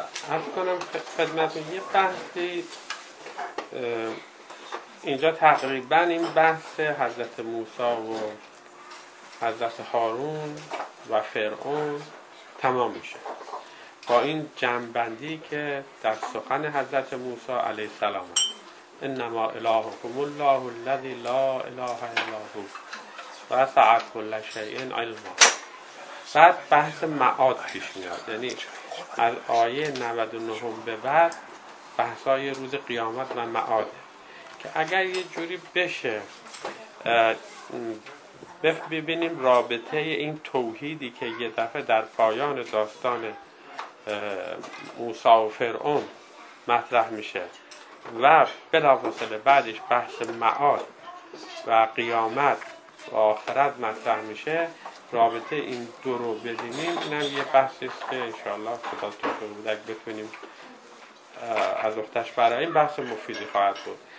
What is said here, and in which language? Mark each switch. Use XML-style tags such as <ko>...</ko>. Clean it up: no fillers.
<fa>عرض کنم خدمتون یه بحثی اینجا تقریبا این بحث حضرت موسی و حضرت هارون و فرعون تمام میشه با این جمع‌بندی که در سخن حضرت موسی علیه السلام است.</fa> <ar>انما الهکم الله الذی لا اله الا هو وسع کل شیء علما.</ar> <fa>بعد بحث معاد پیش میاد، یعنی از آیه 99 به بعد بحثای روز قیامت و معاده که اگر یه جوری بشه ببینیم رابطه این توحیدی که یه دفعه در پایان داستان موسی و فرعون مطرح میشه و بلافاصله بعدش بحث معاد و قیامت و آخرت مطرح میشه، رابطه این دو رو ببینیم، اینم یه بحثی است که انشاءالله خدا توفیق بده اگه بتونیم از اختش برای این بحث مفیدی خواهد بود.</fa>